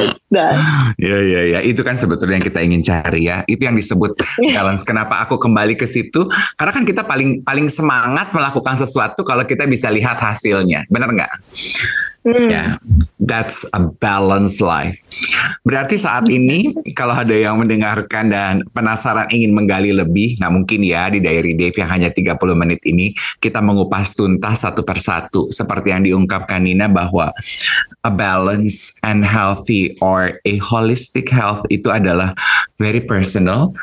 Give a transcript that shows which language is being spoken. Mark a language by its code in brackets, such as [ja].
[id] Ya, itu kan sebetulnya yang kita ingin cari ya. Itu yang disebut balance. Kenapa aku kembali ke situ? Karena kan kita paling semangat melakukan sesuatu kalau kita bisa lihat hasilnya. Benar enggak? [en] Yeah, that's a balanced life. [id] Berarti saat ini kalau ada yang mendengarkan dan penasaran ingin menggali lebih, nah mungkin ya di Diary Dave yang hanya 30 menit ini kita mengupas tuntas satu persatu seperti yang diungkapkan Nina bahwa [en] a balance and healthy or a holistic health [id] itu adalah [en] very personal.